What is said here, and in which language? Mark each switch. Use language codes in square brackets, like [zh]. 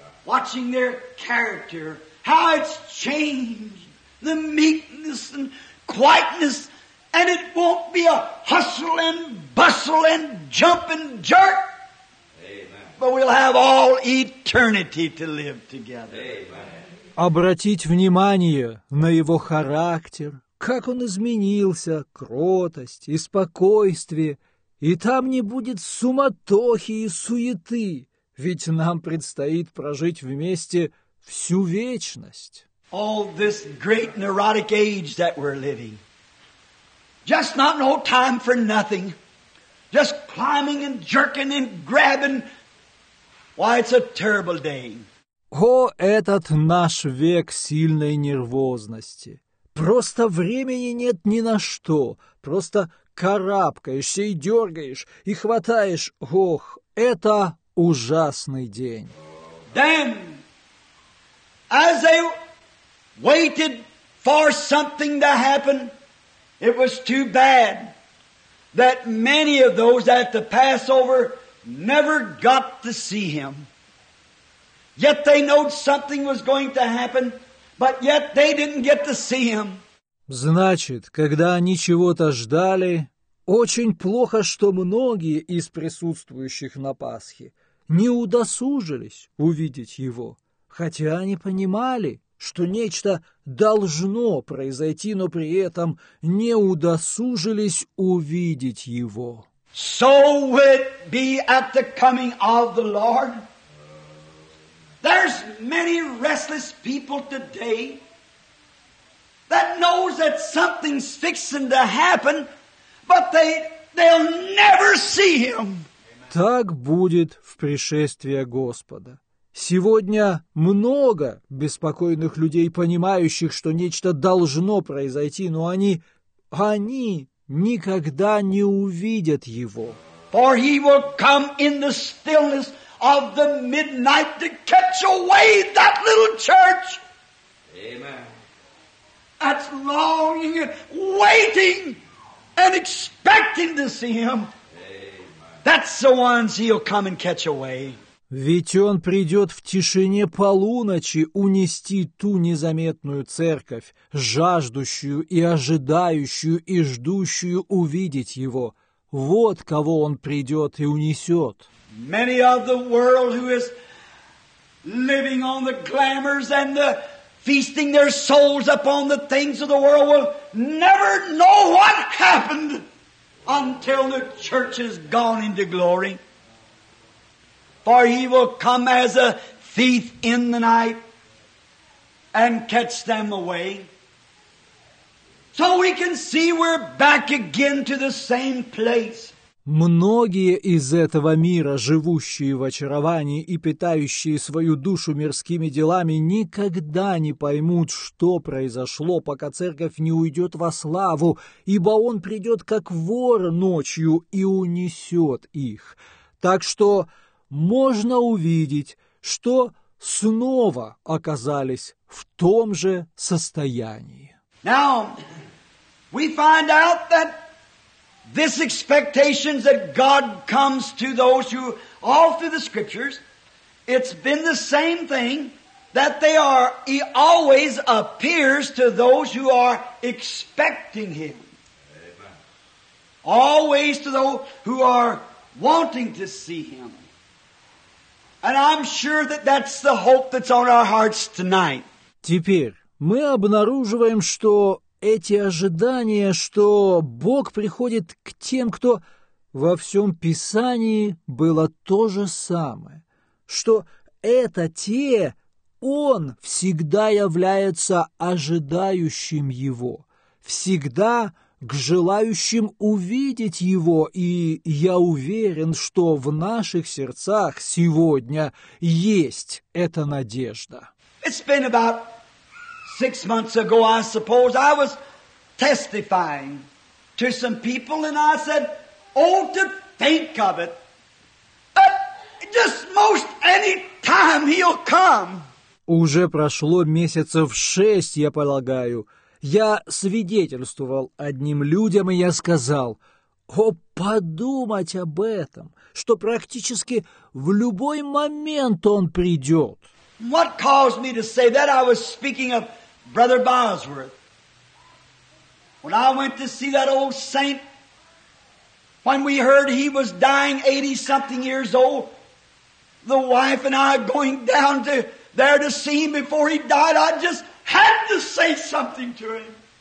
[en] Watching their character, how it's changed, the meekness and quietness, and it won't be a hustle and bustle and jump and jerk. Amen. But we'll have all eternity to live together. Amen. [ru] Обратить внимание на его характер, как он изменился, кротость и спокойствие, и там не будет суматохи и суеты, ведь нам предстоит прожить вместе всю вечность. [en] All this great neurotic age that we're living. Just not no time for nothing. Just climbing and jerking and grabbing. Why, it's a terrible day. [ru] О, этот наш век сильной нервозности. Просто времени нет ни на что. Просто карабкаешься и дергаешь, и хватаешь. Ох, это ужасный день. [en] Then, as they waited for something to happen, it was too bad that many of those at the Passover never got to see him. Yet they knew something was going to happen, but yet they didn't get to see him. [ru] Значит, когда они чего-то ждали, очень плохо, что многие из присутствующих на Пасхе не удосужились увидеть его, хотя они понимали, что нечто должно произойти, но при этом не удосужились увидеть его. [en] So will it be at the coming of the Lord. There's many restless people today that knows that something's fixing to happen, but they'll never see him. [ru] Так будет в пришествие Господа. Сегодня много беспокойных людей, понимающих, что нечто должно произойти, но они никогда не увидят его. [en] For he will come in the stillness of the midnight to catch away that little church. Amen. That's longing and waiting and expecting to see him. Amen. That's the ones he'll come and catch away. [ru] Ведь он придет в тишине полуночи унести ту незаметную церковь, жаждущую и ожидающую и ждущую увидеть его. Вот кого он придет и унесет. [en] Many of the world who is living on the glamours and the feasting their souls upon the things of the world will never know what happened until the church has gone into glory. For he will come as a thief in the night and catch them away. So we can see we're back again to the same place. [ru] Многие из этого мира, живущие в очаровании и питающие свою душу мирскими делами, никогда не поймут, что произошло, пока церковь не уйдет во славу, ибо он придет как вор ночью и унесет их. Так что можно увидеть, что снова оказались в том же состоянии. [en] Now, we find out that this expectation that God comes to those who, all through the scriptures, it's been the same thing that they are, he always appears to those who are expecting him. Amen. Always to those who are wanting to see him. And I'm sure that that's the hope that's on our hearts tonight. [ru] Теперь мы обнаруживаем, что эти ожидания, что Бог приходит к тем, кто во всем Писании было то же самое, что это те, Он всегда является ожидающим Его, всегда к желающим увидеть Его, и я уверен, что в наших сердцах сегодня есть эта надежда. [en] It's been about 6 months ago, I suppose, I was testifying to some people, and I said, oh, to think of it. But just most any time he'll come. [ru] Уже прошло месяцев 6, я полагаю. Я свидетельствовал одним людям, и я сказал: «О, подумать об этом, что практически в любой момент он придет». [en] What caused me to say that? I was speaking of Brother Bosworth. When I went to see that old saint, when we heard he was dying 80-something years old, the wife and I going down to there to see him before he died, I just had to say something to him.